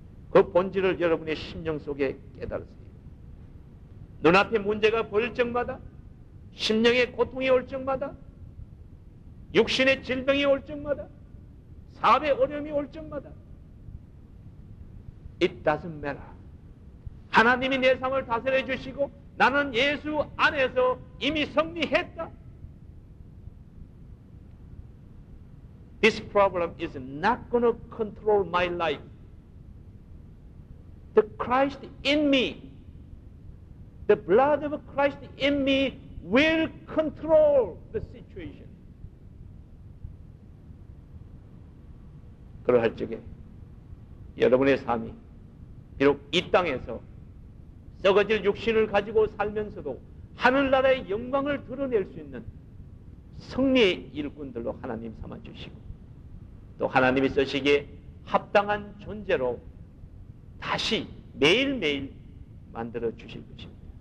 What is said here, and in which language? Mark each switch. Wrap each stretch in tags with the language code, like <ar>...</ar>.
<ko>그 본질을 여러분의 심령 속에 깨달으세요. 눈앞에 문제가 보일 적마다, 심령의 고통이 올 적마다, 육신의 질병이 올 적마다, 사업의 어려움이 올 적마다,</ko> <en>It doesn't matter.</en> <ko>하나님이 내 삶을 다스려 주시고 나는 예수 안에서 이미 승리했다.</ko> <en>This problem is not going to control my life. The Christ in me, the blood of Christ in me will control the situation.</en> <ko>그러할 적에 여러분의 삶이 비록 이 땅에서 썩어질 육신을 가지고 살면서도 하늘나라의 영광을 드러낼 수 있는 승리의 일꾼들로 하나님 삼아주시고 또 하나님이 쓰시기에 합당한 존재로 다시 매일매일 만들어 주실 것입니다.</ko>